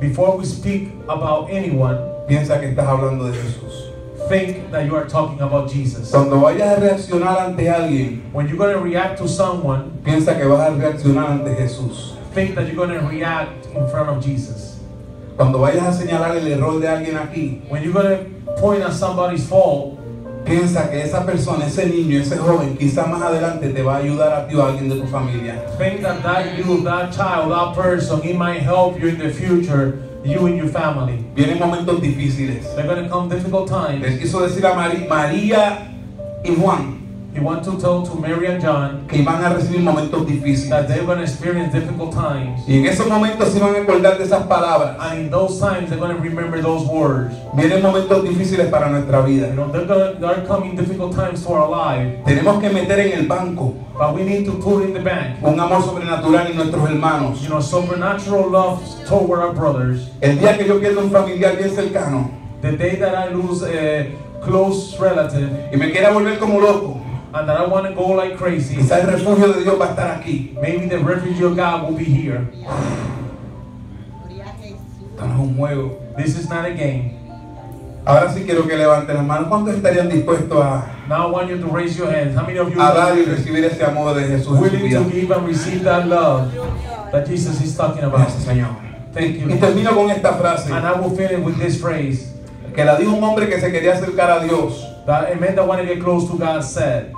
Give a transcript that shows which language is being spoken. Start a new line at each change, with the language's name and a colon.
English: Before we speak about anyone.
Spanish: Piensa que estás hablando de Jesús.
English: Think that you are talking about Jesus.
Spanish: Cuando vayas a reaccionar ante alguien.
English: When you're going to react to someone.
Spanish: Piensa que vas a reaccionar ante Jesús.
English: Think that you're going to react in front of Jesus.
Spanish: Cuando vayas a señalar el error de alguien aquí.
English: When you're going to point at somebody's fault.
Spanish: Piensa que esa persona, ese niño, ese joven, quizás más adelante te va a ayudar a ti o a alguien de tu familia.
English: Think that that you, that child, that person, he might help you in the future. You and your family.
Spanish: Vienen momentos difíciles.
English: They're going to come difficult times.
Spanish: Les quiso decir a María y Juan.
English: He wanted to tell to Mary and John.
Spanish: Que iban a recibir momentos difíciles.
English: That they're going to experience difficult times.
Spanish: Y en esos momentos se van a acordar de esas palabras.
English: And in those times they're going to remember those words.
Spanish: Vienen momentos difíciles para nuestra vida.
English: You know, they're coming difficult times for our life.
Spanish: Tenemos que meter en el banco.
English: But we need to put in the bank.
Spanish: Un amor sobrenatural en nuestros hermanos.
English: You know, supernatural love toward our brothers.
Spanish: El día que yo pierdo un familiar bien cercano.
English: The day that I lose a close relative.
Spanish: Y me quiera volver como loco.
English: And that I want to go like crazy.
Spanish: Quizá el refugio de Dios va a estar aquí.
English: Maybe the refuge of God will be here.
Spanish: Esto no es un juego.
English: This is not a game.
Spanish: Ahora sí quiero que levanten las manos. ¿Cuántos estarían dispuestos a?
English: Now I want you to raise your hands. How many of you
Spanish: a dar y recibir ese amor de Jesús?
English: Willing to give and receive that love that Jesus is talking about.
Spanish: Gracias, Señor.
English: Thank you.
Spanish: Y termino con esta frase.
English: And I will finish with this phrase.
Spanish: Que la dijo un hombre que se quería acercar a Dios.
English: That a man that wanted to get close to God said.